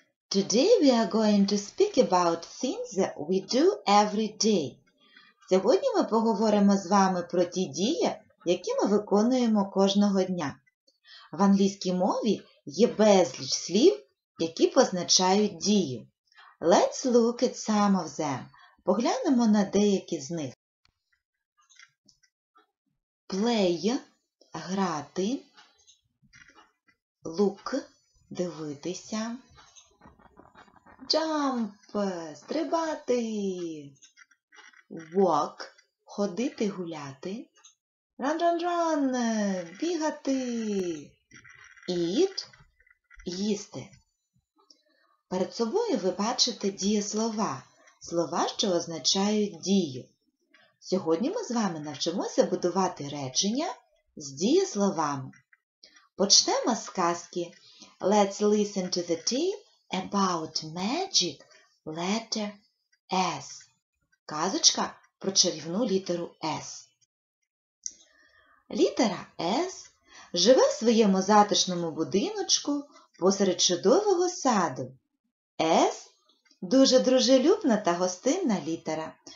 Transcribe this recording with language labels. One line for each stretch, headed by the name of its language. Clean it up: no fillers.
English: Today we are going to speak about things that we do every day.
Ukrainian: Сьогодні ми поговоримо з вами про ті дії, які ми виконуємо кожного дня. В англійській мові є безліч слів, які позначають дію.
English: Let's look at some of them.
Ukrainian: Поглянемо на деякі з них.
English: Play – грати. Look – дивитися. Jump – стрибати. Walk – ходити, гуляти. Run, run, run – бігати. Eat – їсти.
Ukrainian: Перед собою ви бачите дієслова – слова, що означають дію. Сьогодні ми з вами навчимося будувати речення з дієсловами. Почнемо з казки.
English: Let's listen to the tale about magic letter S.
Ukrainian: Казочка про чарівну літеру S. Літера S живе в своєму затишному будиночку посеред чудового саду. S – дуже дружелюбна та гостинна літера.